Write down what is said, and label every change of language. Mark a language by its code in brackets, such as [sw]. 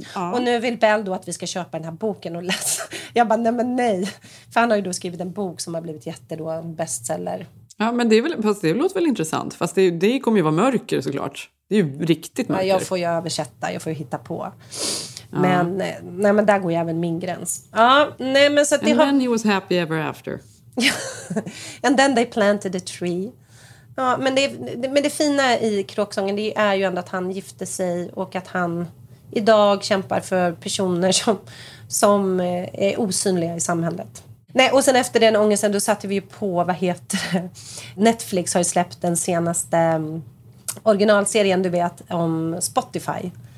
[sv] och nu vill Bell då att vi ska köpa den här boken och läsa. Jag bara, nej. För han har ju då skrivit en bok som har blivit jättedå bestseller. Ja, men det låter väl intressant. Fast det kommer ju vara mörker såklart. Det är ju riktigt mörker. Ja, jag får ju översätta, jag får ju hitta på. Men, nej, men där går ju även min gräns. Ja, nej, men så att [en] and then he was happy ever after. And then they planted a tree. [sv] Ja, men det fina i kråksången, det är ju ändå att han gifte sig och att han idag kämpar för personer som är osynliga i samhället. Nej, och sen efter den ångesten, då satte vi ju på, vad heter det? Netflix har ju släppt den senaste originalserien, du vet, om Spotify.